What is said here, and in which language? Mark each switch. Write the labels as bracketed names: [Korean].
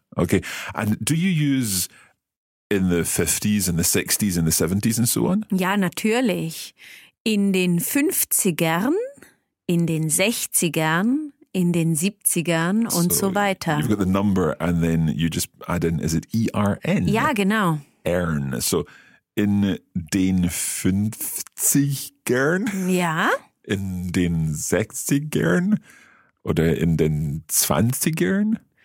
[English] Okay, and do you use in the 50s and the 60s and the 70s and so on? [German] Ja, natürlich. In den 50ern, in den 60ern, in den 70ern und so weiter. [English] You've got the number and then you just add in, is it E-R-N? [German] Ja, genau. Ern. So in den 50ern? Ja. In den 60ern? Oder in den 20ern?